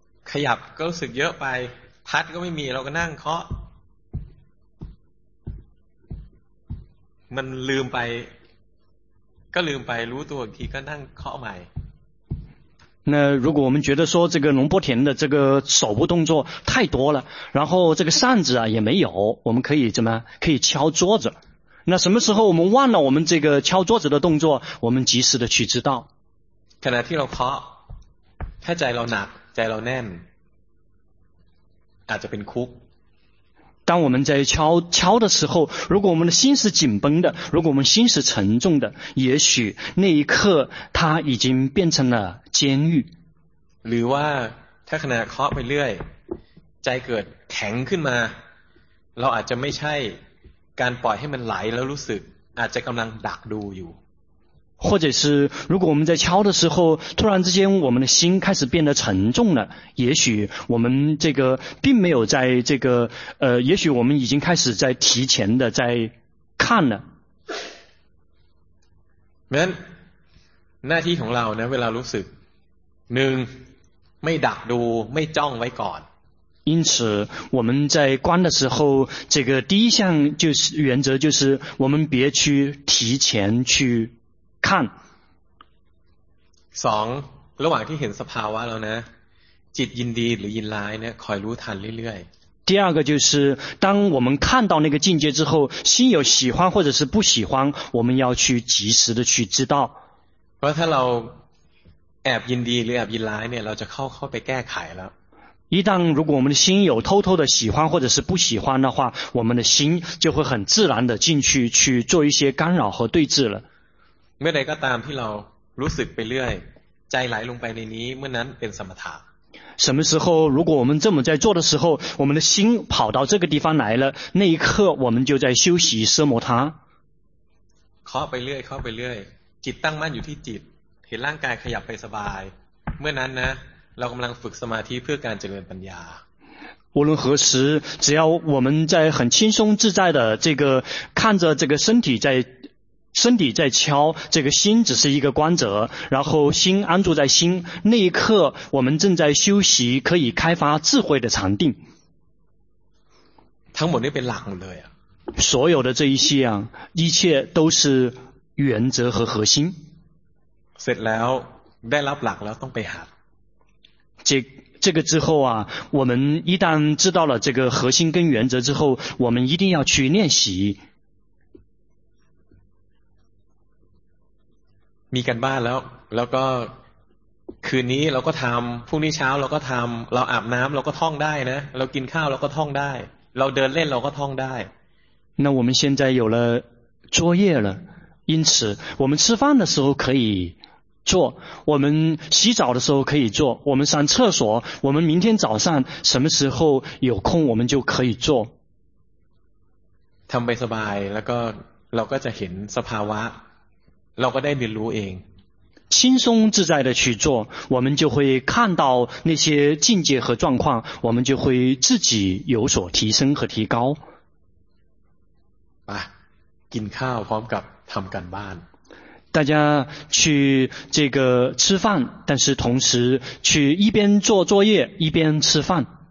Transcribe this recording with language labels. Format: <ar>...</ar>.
<th>ขยับก็รู้สึกเยอะไปพัดก็ไม่มีเราก็นั่งเคาะมันลืมไปก็ลืมไปรู้ตัวอีกทีก็นั่งเคาะใหม่</th> <zh>那如果我们觉得说这个龙波田的这个手部动作太多了然后这个扇子啊也没有我们可以怎么可以敲桌子那什么时候我们忘了我们这个敲桌子的动作我们及时的去知道</zh> <th>ขณะที่เราเคาะถ้าใจเราหนักใจเราแน่นอาจจะเป็นคุก</th> <zh>当我们在敲的时候如果我们的心是紧绷的如果我们心是沉重的也许那一刻它已经变成了监狱</zh> <th>หรือว่าถ้าขณะเคาะไปเรื่อยใจเกิดแข็งขึ้นมาเราอาจจะไม่ใช่การปล่อยให้มันไหลแล้วรู้สึกอาจจะกำลังดักดูอยู่</th> <zh>或者是如果我们在敲的时候突然之间我们的心开始变得沉重了也许我们这个并没有在这个也许我们已经开始在提前的在看了那</zh> <th>หน้าที่ของเรานะเวลารู้สึกหนึ่งไม่ดักดูไม่จ้องไว้ก่อน</th> <zh>因此我们在观的时候这个第一项就是原则就是我们别去提前去看</zh> <th>สองระหว่างที่เห็นสภาวะแล้วนะจิตยินดีหรือยินร้ายเนี่ยคอยรู้ทันเรื่อย</th> <zh>ๆ第二个就是当我们看到那个境界之后心有喜欢或者是不喜欢我们要去及时的去知道</zh> <th>เพราะถ้าเราแอบยินดีหรือแอบยินร้ายเนี่ยเราจะเข้าไปแก้ไขแล้ว</th> <zh>一旦如果我们的心有偷偷的喜欢或者是不喜欢的话我们的心就会很自然的进去去做一些干扰和对峙了</zh> <th>เมื่อใดก็ตามที่เรารู้สึกไปเรื่อยใจไหลลงไปในนี้เมื่อนั้นเป็นสมถะ</th> <zh>什么时候如果我们这么在做的时候我们的心跑到这个地方来了那一刻我们就在休息奢摩他</zh> <th>เข้าไปเรื่อยเข้าไปเรื่อยจิตตั้งมั่นอยู่ที่จิตเห็นร่างกายขยับไปสบายเมื่อนั้นนะเรากำลังฝึกสมาธิเพื่อการเจริญปัญญา</th> <zh>无论何时只要我们在很轻松自在的这个看着这个身体在敲这个心只是一个观者然后心安住在心那一刻我们正在休息可以开发智慧的禅定汤姆那边浪了呀所有的这一些啊一切都是原则和核心</zh> <th>เสร็จแล้วได้รับหลักแล้วต้องไปหัด</th> <zh>这个之后啊我们一旦知道了这个核心跟原则之后我们一定要去练习</zh> <th>มีกันบ้านแล้วก็คืนนี้เราก็ทำพรุ่งนี้เช้าเราก็ทำเราอาบน้ำเราก็ท่องได้นะเรากินข้าวเราก็ท่องได้เราเดินเล่นเราก็ท่องได้</th> <zh>那我们现在有了作业了因此我们吃饭的时候可以做我们洗澡的时候可以做我们上厕所我们明天早上什么时候有空我们就可以做</zh> <th>ทำไปสบายแล้วก็เราก็จะเห็นสภาวะเราก็ได้เรียนรู้เอง</th> <zh>轻松自在的去做我们就会看到那些境界和状况我们就会自己有所提升和提高</zh> <th>ไปกินข้าวพร้อมกับทำกันบ้าน</th> <zh>大家去这个吃饭但是同时去一边做作业一边吃饭</zh>